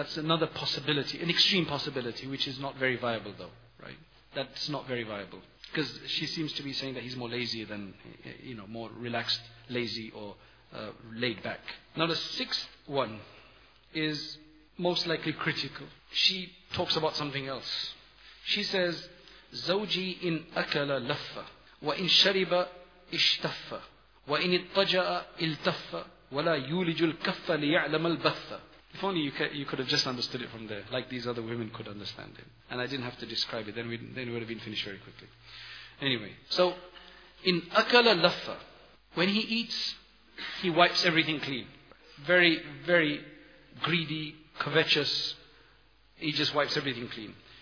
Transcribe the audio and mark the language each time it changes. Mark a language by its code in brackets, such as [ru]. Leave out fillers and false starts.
[en] That's another possibility, an extreme possibility, which is not very viable, though. Right? That's not very viable. Because she seems to be saying that he's more lazy than, you know, more relaxed, lazy, or laid back. Now the sixth one is most likely critical. She talks about something else. She says, [ar] زوجي إن أكل لفة وإن شرب اشتفة وإن اتجع التفة ولا يولج الكفة ليعلم البثة. [en] If only you could have just understood it from there, like these other women could understand it. And I didn't have to describe it, then we would have been finished very quickly. Anyway, so, in akala laffa, when he eats, he wipes everything clean. Very, very greedy, covetous, he just wipes everything clean.